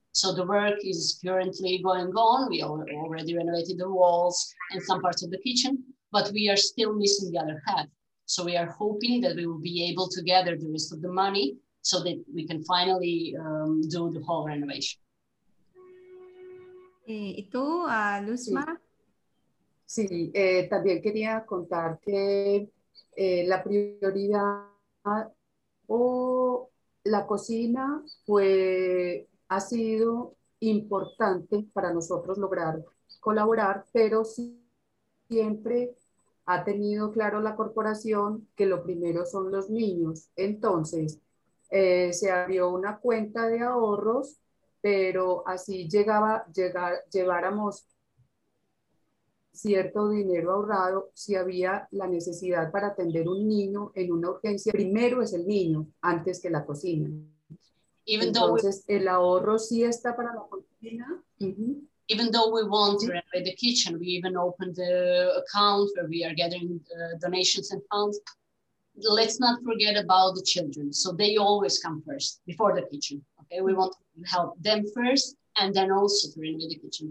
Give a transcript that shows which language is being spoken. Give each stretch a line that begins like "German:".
English: So the work is currently going on. We already renovated the walls and some parts of the kitchen, but we are still missing the other half. So we are hoping that we will be able to gather the rest of the money so that we can finally do the whole renovation.
Spanish: ¿Y tú, Luzma? Sí, sí, también quería contar que la prioridad o la cocina fue, ha sido importante para nosotros lograr colaborar, pero sí, siempre ha tenido claro la corporación que lo primero son los niños. Entonces, se abrió una cuenta de ahorros, pero así lleváramos cierto dinero ahorrado, si había la necesidad para atender un niño en una urgencia, primero es el niño, antes que la cocina.
English: Even
Spanish: entonces,
English: though
Spanish: el ahorro sí está para la cocina.
English: Even though we want to renovate the kitchen, we even opened the account where we are gathering donations and funds. Let's not forget about the children. So they always come first, before the kitchen. Okay, we want to help them first and then also to renovate the kitchen.